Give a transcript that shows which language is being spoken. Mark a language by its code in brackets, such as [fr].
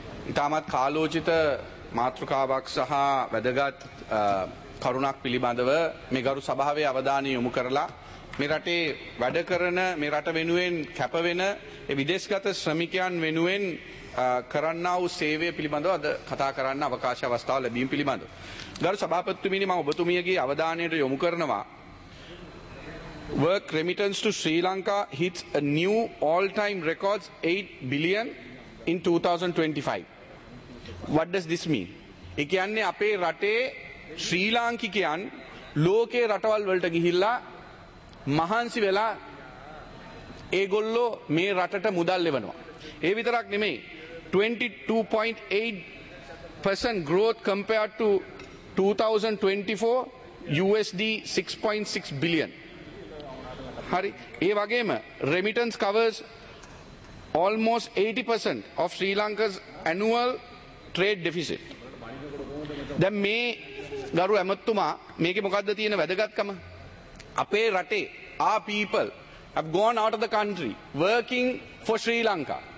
[si] ඉතාමත් කාලෝචිත මාතෘකාවක් සහ වැදගත් කරුණක් පිළිබඳව මේ ගරු සභාවේ අවධානය යොමු කරලා මේ රටේ වැඩ කරන, මේ රට වෙනුවෙන් කැපවෙන විදේශගත ශ්‍රමිකයන් වෙනුවෙන් කරන්නා වූ සේවය පිළිබඳව අද කතා කරන්න අවකාශ අවස්ථාව ලැබීම පිළිබඳව. ගරු සභාපතිතුමනි, මම ඔබතුමියගේ අවධානයට යොමු කරනවා [en] Work remittance to Sri Lanka hits a new all-time records 8 billion in 2025. What does this mean? [si] ඒ කියන්නේ අපේ රටේ ශ්‍රී ලාංකිකයන් ලෝකයේ රටවල් වලට ගිහිල්ලා මහන්සි වෙලා ඒගොල්ලෝ මේ රටට මුදල් එවනවා. ඒ විතරක් නෙමෙයි, [en] 22.8% growth compared to 2024 USD 6.6 billion. [si] හරි, ඒ වගේම [en] remittance covers almost 80% of Sri Lanka's annual trade deficit. [si] දැන් මේ ගරු ඇමතුමා, මේකේ මොකද්ද තියෙන වැදගත්කම? අපේ රටේ [en] our people have gone out of the country working for Sri Lanka.